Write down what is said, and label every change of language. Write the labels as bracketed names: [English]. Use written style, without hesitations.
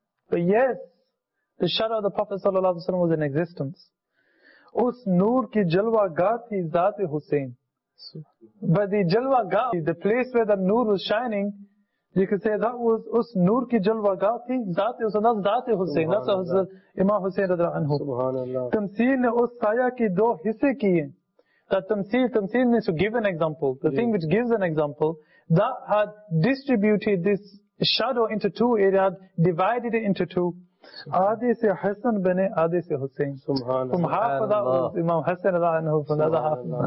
[English] But yes, the shadow of the Prophet sallallahu alayhi wa sallam was in existence. [Urdu] Us noor ki jalwa ga thi zaati Hussein. [English] But the jalwa ga, the place where the noor was shining, you could say that was [Urdu] us noor ki jalwa ga thi zaati Hussein. [English] That's zaati Hussein. That's Imam Hussein radhiyallahu anhu. [Arabic] Subhanallah. [Urdu] تمثیل نے اس سایہ کی دو حصے کیے۔ [English] That tamseel means to give an example. The thing which gives an example, that had distributed this shadow into two, it had divided it into two. [Urdu] Adi se Hassan bane Adi se Hussein. [Arabic] Subhanallah. [English] From half of that was Imam Hassan radhiyallahu anhu, from the other half.